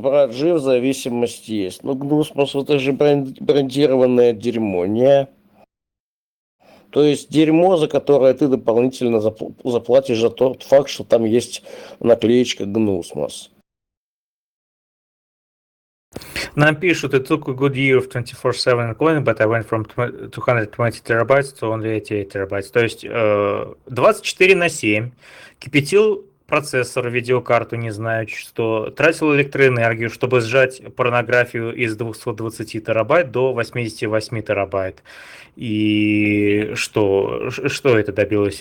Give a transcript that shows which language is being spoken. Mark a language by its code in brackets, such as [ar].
[ru] Брат жив, зависимость есть. Но Gnusmas это же брендированное дерьмо, не? То есть дерьмо, за которое ты дополнительно заплатишь за тот факт, что там есть наклеечка Gnusmas. Нам пишут, [en] it took a good year of 24/7 coin, but I went from 220 terabytes to only 88 terabytes. [ru] То есть 24/7, кипятил процессор, видеокарту, не знаю что, тратил электроэнергию, чтобы сжать порнографию из 220 терабайт до 88 терабайт. И что это добилось?